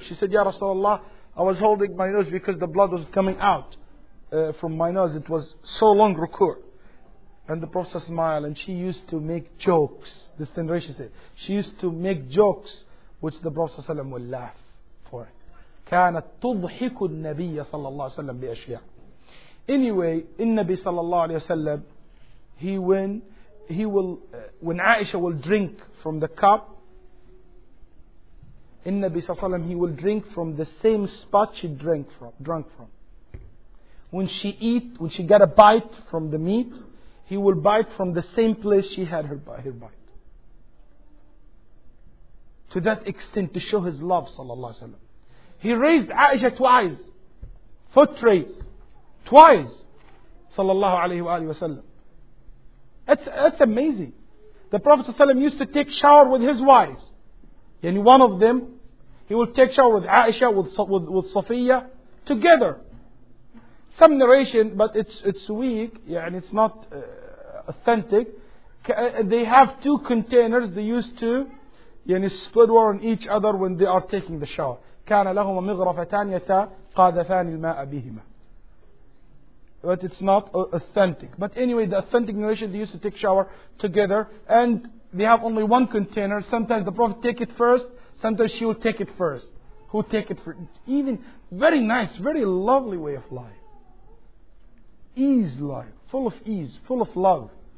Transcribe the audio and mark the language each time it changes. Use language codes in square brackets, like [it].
[en] She said, Ya Rasulullah, I was holding my nose because the blood was coming out from my nose. It was so long rukur. And the Prophet smiled, and she used to make jokes. This generation said, she used to make jokes which the Prophet sallallahu alayhi wa sallam would laugh for. [ar] كانت تضحك النبي صلى الله عليه وسلم بأشياء. [en] Anyway, in Nabi sallallahu alayhi wa sallam, when Aisha will drink from the cup, in Nabi sallallahu alayhi wa sallam, he will drink from the same spot she drank from. When she got a bite from the meat, he will bite from the same place she had her bite. To that extent, to show his love, sallallahu alayhi wa sallam. He raised Aisha twice, foot raised, twice, sallallahu alayhi wa sallam. That's amazing. The Prophet sallallahu alayhi wa sallam used to take shower with his wives. And one of them, he will take shower with Aisha, with Safiya, together. Some narration, but it's weak, yeah, and it's not authentic. They have two containers they used to, yani split water on each other when they are taking the shower. [ar] كان لهما مغرفتان يتقاذفان الماء بهما. [en] But it's not authentic. But anyway, the authentic narration, they used to take shower together, and they have only one container. Sometimes the Prophet take it first, sometimes she will take it first. Who take it for? Even very nice, very lovely way of life. Ease life, full of ease, full of love.